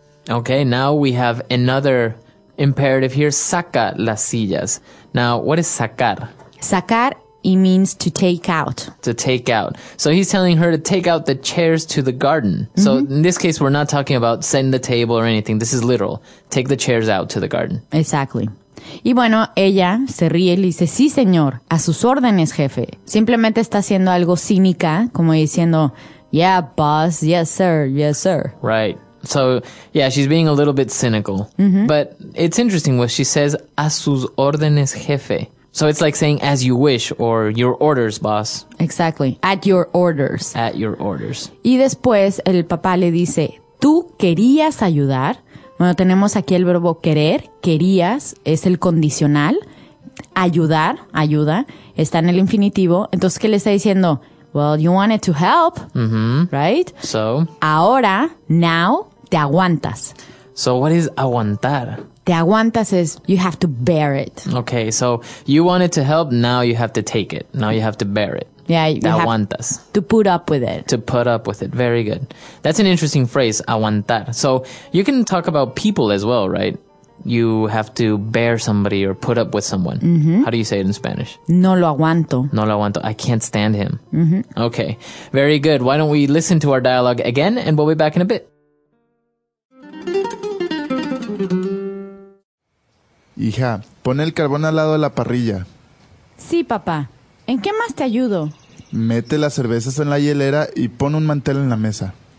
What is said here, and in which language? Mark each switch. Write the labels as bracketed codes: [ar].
[en] Okay, now we have another imperative here. [es] Saca las sillas. [en] Now, what is sacar? Sacar, it means to take out. To take out. So he's telling her to take out the chairs to the garden. Mm-hmm. So in this case, we're not talking about send the table or anything. This is literal. Take the chairs out to the garden. Exactly. [es] Y bueno, ella se ríe y le dice, sí, señor, a sus órdenes, jefe. Simplemente está haciendo algo cínica, como diciendo, [en] yeah, boss, yes, sir, yes, sir. Right. So, yeah, she's being a little bit cynical. Mm-hmm. But it's interesting what she says, [es] a sus órdenes, jefe. [en] So it's like saying, as you wish, or your orders, boss. Exactly. At your orders. At your orders. [es] Y después el papá le dice, tú querías ayudar. Bueno, tenemos aquí el verbo querer, querías, es el condicional, ayudar, ayuda, está en el infinitivo. Entonces, ¿qué le está diciendo? [en] Well, you wanted to help, mm-hmm. right? So, [es] ahora, [en] now, [es] te aguantas. [en] So, what is aguantar? [es] Te aguantas [en] is you have to bear it. Okay, so you wanted to help, now you have to take it, now you have to bear it. Yeah, [es] te aguantas. [en] To put up with it. To put up with it. Very good. That's an interesting phrase, aguantar. So you can talk about people as well, right? You have to bear somebody or put up with someone. Mm-hmm. How do you say it in Spanish? [es] No lo aguanto. No lo aguanto. [en] I can't stand him. Mm-hmm. Okay. Very good. Why don't we listen to our dialogue again and we'll be back in a bit. [es] Hija, pon el carbón al lado de la parrilla. Sí, papá. ¿En qué más te ayudo? Mete las cervezas en la hielera y pon un mantel en la mesa.